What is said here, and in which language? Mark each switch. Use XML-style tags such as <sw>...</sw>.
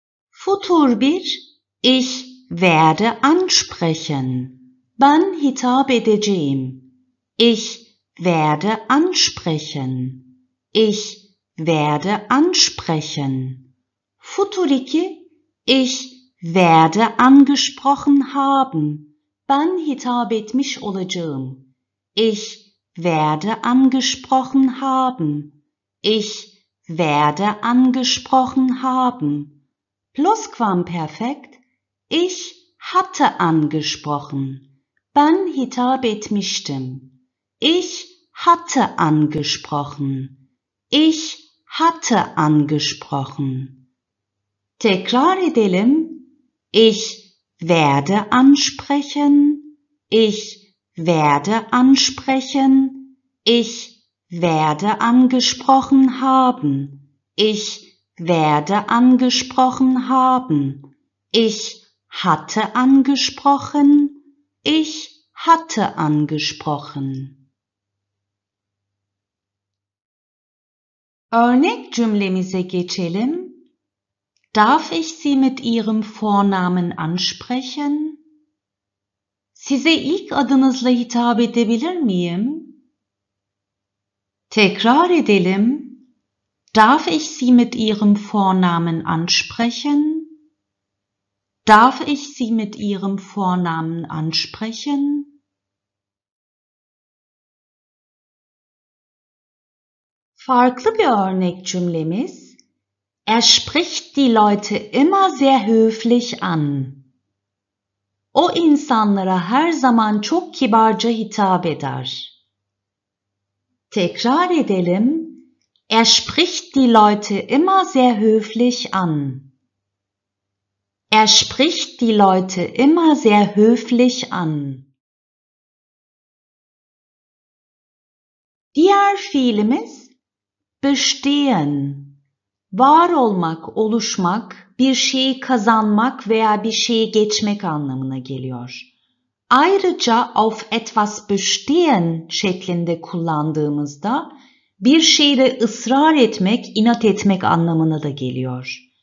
<de>Futur bir. Ich werde ansprechen.</de> <tr>Ben hitap edeceğim.</tr> <de>Ich werde ansprechen. Ich werde ansprechen. Futur 2. Ich werde angesprochen haben.</de> <tr>Ben hitap etmiş olacağım.</tr> <de>Ich werde angesprochen haben. Ich werde angesprochen haben. Plusquamperfekt. Ich hatte angesprochen.</de> <tr>Ben hitap etmiştim.</tr> <de>Ich hatte angesprochen. Ich hatte angesprochen.</de> <tr>Tekrar edelim.</tr> <de>Ich werde ansprechen. Ich werde ansprechen. Ich werde angesprochen haben. Ich werde angesprochen haben. Ich hatte angesprochen. Ich hatte angesprochen.</de> <tr>Örnek cümlemize geçelim.</tr> <de>Darf ich Sie mit Ihrem Vornamen ansprechen?</de> <tr>Size ilk adınızla hitap edebilir miyim? Tekrar edelim.</tr> <de>Darf ich Sie mit Ihrem Vornamen ansprechen? Darf ich Sie mit Ihrem Vornamen ansprechen?</de> <tr>Farklı bir örnek cümlemiz.</tr> <de>Er spricht die Leute immer sehr höflich an.</de> <tr>O insanlara her zaman çok kibarca hitap eder. Tekrar edelim.</tr> <de>Er spricht die Leute immer sehr höflich an. Er spricht die Leute immer sehr höflich an.</de> <tr>Diğer fiilimiz bestehen. Var olmak, oluşmak, bir şeyi kazanmak veya bir şeyi geçmek anlamına geliyor. Ayrıca auf etwas bestehen şeklinde kullandığımızda bir şeyde ısrar etmek, inat etmek anlamına da geliyor.</tr>